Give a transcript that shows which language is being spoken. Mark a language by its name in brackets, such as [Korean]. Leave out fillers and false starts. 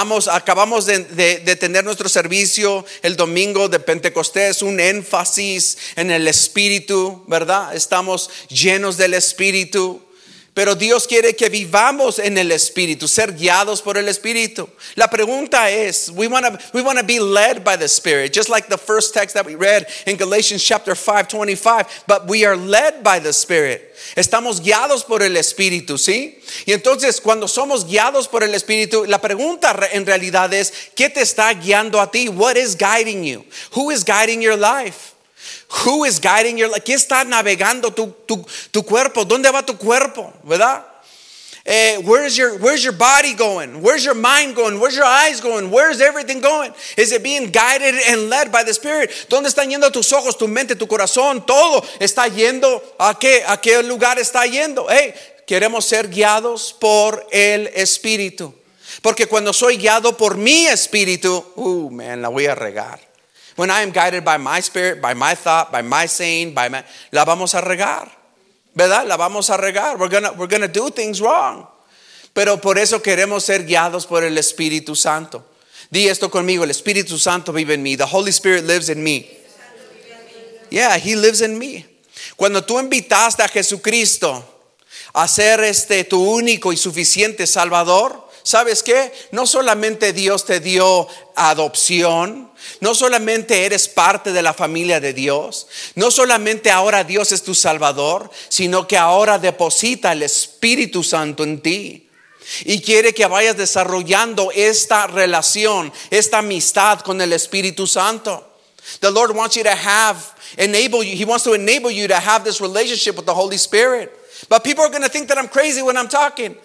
[Spanish] Acabamos de tener nuestro servicio el domingo de Pentecostés, un énfasis en el Espíritu, ¿verdad? Estamos llenos del Espíritu. Pero Dios quiere que vivamos en el Espíritu, ser guiados por el Espíritu. La pregunta es, [English] we want to be led by the Spirit, just like the first text that we read in Galatians chapter 5:25. But we are led by the Spirit. [Spanish] Estamos guiados por el Espíritu, ¿sí? Y entonces, cuando somos guiados por el Espíritu, la pregunta en realidad es, ¿qué te está guiando a ti? [English] What is guiding you? Who is guiding your life? Who is guiding your life? [Spanish] ¿Qué está navegando tu cuerpo? ¿Dónde va tu cuerpo? ¿Verdad? [English] Where's your body going? Where's your mind going? Where's your eyes going? Where's everything going? Is it being guided and led by the Spirit? [Spanish] ¿Dónde están yendo tus ojos, tu mente, tu corazón? Todo está yendo ¿a qué? ¿A qué lugar está yendo? Hey, queremos ser guiados por el Espíritu. Porque cuando soy guiado por mi Espíritu, man, la voy a regar. [English] When I am guided by my spirit, by my thought, by my saying, by my, [Spanish] la vamos a regar, ¿verdad? La vamos a regar. [English] We're gonna do things wrong. [Spanish] Pero por eso queremos ser guiados por el Espíritu Santo. Di esto conmigo, el Espíritu Santo vive en mí. [English] The Holy Spirit lives in me. Yeah, He lives in me. [Spanish] Cuando tú invitaste a Jesucristo a ser tu único y suficiente Salvador, ¿sabes qué? No solamente Dios te dio adopción, no solamente eres parte de la familia de Dios, no solamente ahora Dios es tu Salvador, sino que ahora deposita el Espíritu Santo en ti y quiere que vayas desarrollando esta relación, esta amistad con el Espíritu Santo. [English] The Lord wants you to enable you to have this relationship with the Holy Spirit. But people are going to think that I'm crazy when I'm talking.